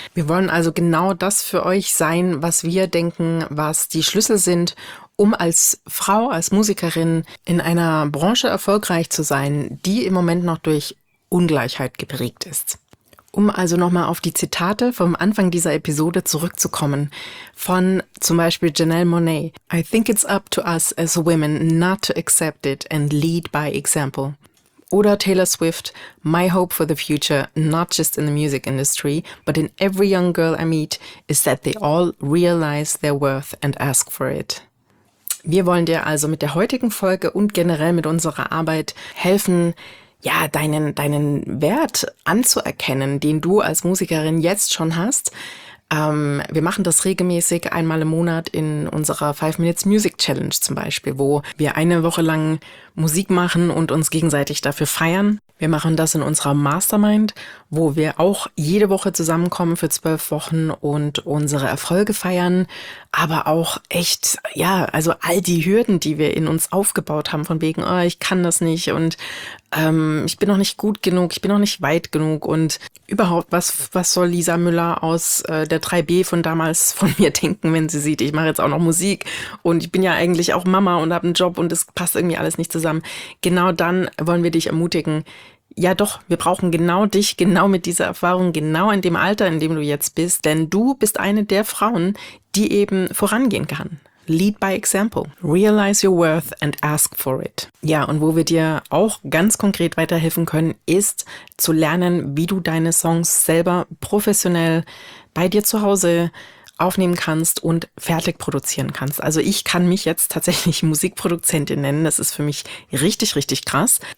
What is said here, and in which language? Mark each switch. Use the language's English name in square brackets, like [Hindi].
[German] Wir wollen also genau das für euch sein, was wir denken, was die Schlüssel sind, um als Frau, als Musikerin in einer Branche erfolgreich zu sein, die im Moment noch durch Ungleichheit geprägt ist. Um also nochmal auf die Zitate vom Anfang dieser Episode zurückzukommen, von zum Beispiel Janelle Monáe. [English] I think it's up to us as women not to accept it and lead by example. [German] Oder [English] Taylor Swift. My hope for the future, not just in the music industry, but in every young girl I meet, is that they all realize their worth and ask for it. [German] Wir wollen dir also mit der heutigen Folge und generell mit unserer Arbeit helfen, ja, deinen Wert anzuerkennen, den du als Musikerin jetzt schon hast. Wir machen das regelmäßig einmal im Monat in unserer 5 Minutes Music Challenge zum Beispiel, wo wir eine Woche lang Musik machen und uns gegenseitig dafür feiern. Wir machen das in unserer Mastermind, wo wir auch jede Woche zusammenkommen für 12 Wochen und unsere Erfolge feiern, aber auch echt, ja, also all die Hürden, die wir in uns aufgebaut haben von wegen, oh, ich kann das nicht und ich bin noch nicht gut genug, ich bin noch nicht weit genug und überhaupt, was soll Lisa Müller aus der 3B von damals von mir denken, wenn sie sieht, ich mache jetzt auch noch Musik und ich bin ja eigentlich auch Mama und habe einen Job und es passt irgendwie alles nicht zusammen. Genau dann wollen wir dich ermutigen, ja doch, wir brauchen genau dich, genau mit dieser Erfahrung, genau in dem Alter, in dem du jetzt bist, denn du bist eine der Frauen, die eben vorangehen kann. [English] Lead by example. Realize your worth and ask for it. [German] Ja, und wo wir dir auch ganz konkret weiterhelfen können, ist zu lernen, wie du deine Songs selber professionell bei dir zu Hause aufnehmen kannst und fertig produzieren kannst. Also ich kann mich jetzt tatsächlich Musikproduzentin nennen. Das ist für mich richtig, richtig krass.